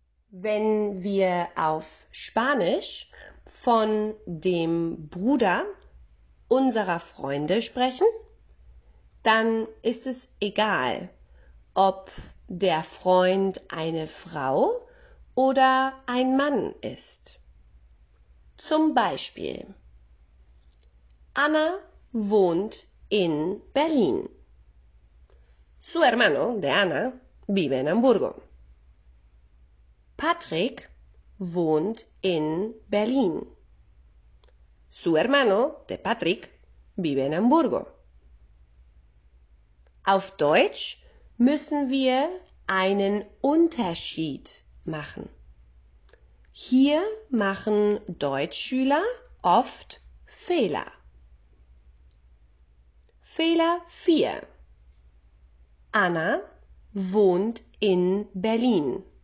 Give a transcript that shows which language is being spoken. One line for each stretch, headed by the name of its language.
German: Wenn wir auf Spanisch von dem Bruder unserer Freunde sprechen, dann ist es egal, ob der Freund eine Frau oder ein Mann ist. Zum Beispiel: Anna wohnt in Berlin.
Spanish: Su hermano, de Ana, vive en Hamburgo.
German: Patrick wohnt in Berlin.
Spanish: Su hermano, de Patrick, vive en Hamburgo.
German: Auf Deutsch müssen wir einen Unterschied machen. Hier machen Deutschschüler oft Fehler. Fehler 4. Anna wohnt in Berlin.